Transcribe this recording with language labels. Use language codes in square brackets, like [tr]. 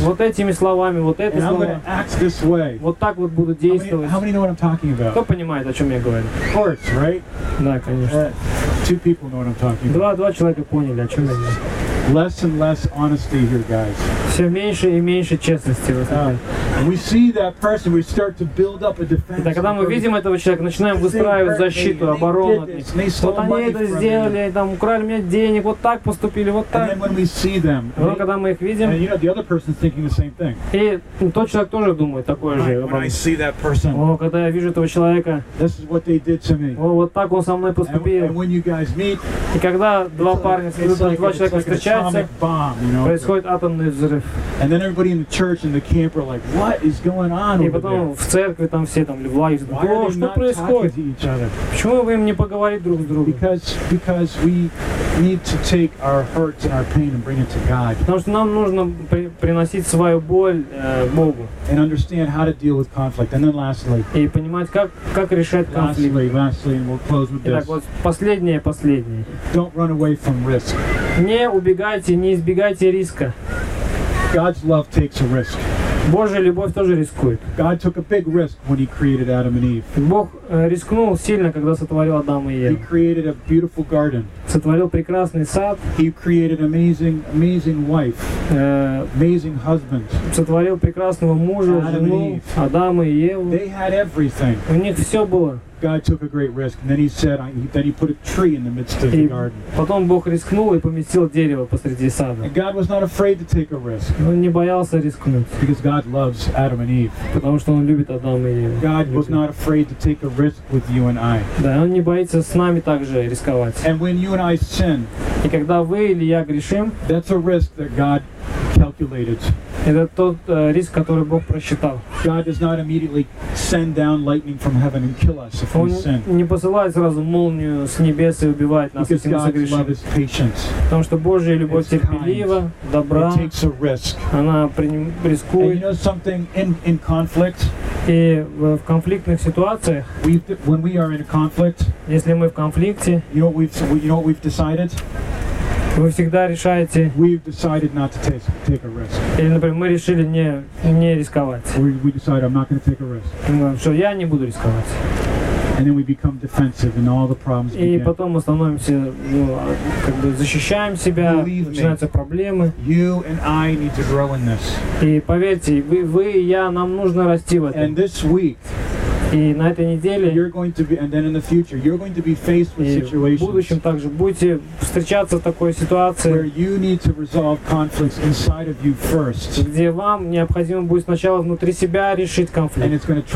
[ru] Вот этими словами, вот эти слова. [en] And I'm going to act this way. [ru] Вот так вот буду действовать. [en] How many know what I'm talking about? [ru] Кто понимает, о чем я говорю? [en] Of course, right? [ru] Да, конечно. [en] Two people know what I'm talking about. [ru] Два человека поняли, о чем я говорю. [en] Less and less honesty here, guys. [ru] Все меньше и меньше честности. [en] And we see that person, we start to build up a defense. [ru] Да, когда мы видим этого человека, начинаем выстраивать защиту, оборону от них. Вот они это сделали, там украли у меня денег, вот так поступили, вот так. [en] And then when we see them, [ru] когда мы их видим, [en] and you know, the other person's thinking the same thing. [ru] И тот человек тоже думает такое же. [en] When I see that person, [ru] о, когда я вижу этого человека, [en] this is what they did to me. [ru] О, вот так он со мной поступил. [en] And when you guys meet, [ru] и когда два парня, два человека встречаются, происходит атомный взрыв. [en] And then everybody in the church and the camp are like, what is going on? [ru] И потом в церкви там все там влазят. О, что происходит? Почему вы им не поговорите друг с другом? [en] Because we need to take our hurts and our pain and bring it to God. [ru] Потому что нам нужно приносить свою боль Богу. [en] And understand how to deal with conflict. And then lastly. [ru] И понимать, как решать конфликт. [en] Lastly, and we'll close with this. [ru] Итак, вот последнее. [en] Don't run away from risk. [ru] Не убегайте, не избегайте риска. [en] God's love takes a risk. [ru] Божья любовь тоже рискует. [en] God took a big risk when he created Adam and Eve. [ru] Бог рискнул сильно, когда сотворил Адама и Еву. [en] He created a beautiful garden. [ru] Сотворил прекрасный сад. [en] He created amazing wife. Amazing husband. [ru] Сотворил прекрасного мужа, жену, Адама и Еву. [en] They had everything. [ru] У них все было. [en] God took a great risk, and then he said, then he put a tree in the midst of the garden. [ru] Потом Бог рискнул и поместил дерево посреди сада. [en] And God was not afraid to take a risk. [ru] Он не боялся рискнуть. [en] Because God loves Adam and Eve. [ru] Потому что он любит Адама и Еву. [en] God was not afraid to take a risk with you and I. [ru] Да, он не боится с нами также рисковать. [en] And when you and I sin, [ru] и когда вы или я грешим, [en] that's a risk that God calculated. [ru] Это тот риск, который Бог просчитал. [en] God does not immediately send down lightning from heaven and kill us if we sin. [ru] Он не посылает сразу молнию с небес и убивает нас, если мы согрешим. [en] Because God's love is patience. [ru] Потому что Божья любовь терпелива, добра. [en] It takes a risk. [ru] Она рискует. [en] And you know something in conflict? [ru] И в конфликтных ситуациях. [en] When we are in a conflict. [ru] Если мы в конфликте. [en] You know what we've decided? [ru] Вы всегда решаете. [en] We've decided not to take a risk. [ru] Или, например, мы решили не рисковать. [en] We decide I'm not going to take a risk. [ru] Что я не буду рисковать. [en] And then we become defensive, and all the problems begin. [ru] И потом мы становимся, как бы защищаем себя, начинаются проблемы. [en] You and I need to grow in this. [ru] И поверьте, вы и я, нам нужно расти в этом. [en] And this week. [ru] И на этой неделе, в будущем также будете встречаться в такой ситуации, где вам необходимо будет сначала внутри себя решить конфликт.